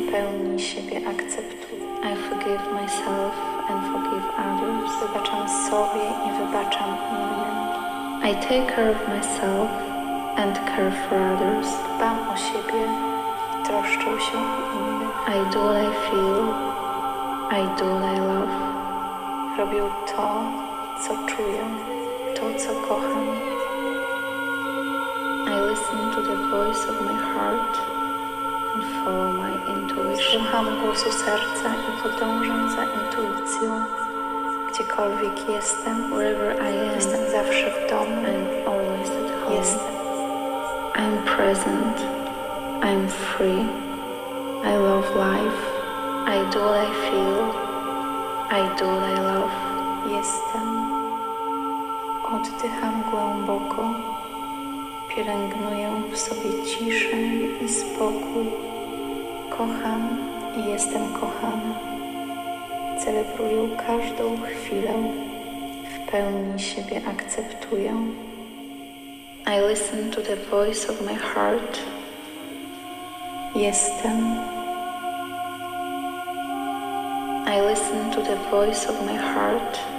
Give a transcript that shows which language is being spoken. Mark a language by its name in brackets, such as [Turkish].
[Polish] Pełni siebie akceptuję. [English] I forgive myself and forgive others. [Polish] Wybaczam sobie i wybaczam innym. [English] I take care of myself and care for others. [Polish] Dbam o siebie. Troszczę się o innych. [English] I do what I feel. I do what I love. [Polish] Robię to, co czuję. To, co kocham. [English] I listen to the voice of my heart and follow my intuition. [Polish] Słucham głosu serca i podążam za intuicją. Gdziekolwiek jestem. [English] Wherever I am. [Polish] Jestem zawsze w domu. [English] I'm always at home. [Polish] Jestem. [English] I'm present. I'm free. I love life. I do what I feel. I do what I love. [Polish] Jestem. Oddycham głęboko. Pielęgnuję w sobie ciszę i spokój. Kocham i jestem kochana. Celebruję każdą chwilę. W pełni siebie akceptuję. [English] I listen to the voice of my heart. [Polish] Jestem. [English] I listen to the voice of my heart.